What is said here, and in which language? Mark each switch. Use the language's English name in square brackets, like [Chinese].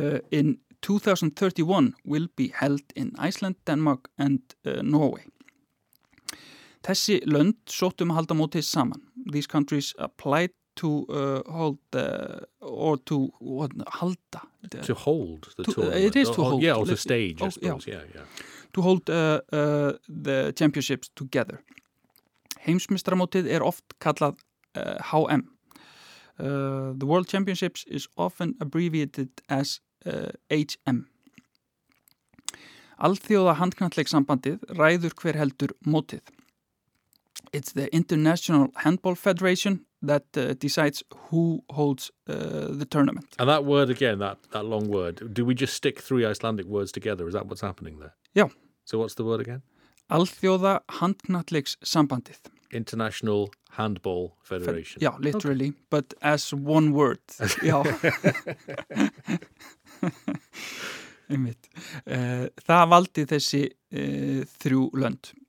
[English] In 2031 will be held in Iceland, Denmark and Norway. [Icelandic] Þessi lönd sóttum að halda mótið saman. [English] These countries applied to the championships together. [Icelandic] Heimsmeistaramótið oft kallað HM. [English] The World Championships is often abbreviated as HM. [Icelandic] Alþjóða handknattleikssambandið ræður hver heldur mótið. [English] It's the International Handball Federation that decides who holds the tournament. And that word again, that long word, do we just stick three Icelandic words together? Is that what's happening there? Yeah. So what's the word again? [Icelandic] Alþjóða handknattleikssambandið. [English] International Handball Federation. Yeah, literally, okay. But as one word. Yeah. [Icelandic] Það valdi þessi þrjú lönd.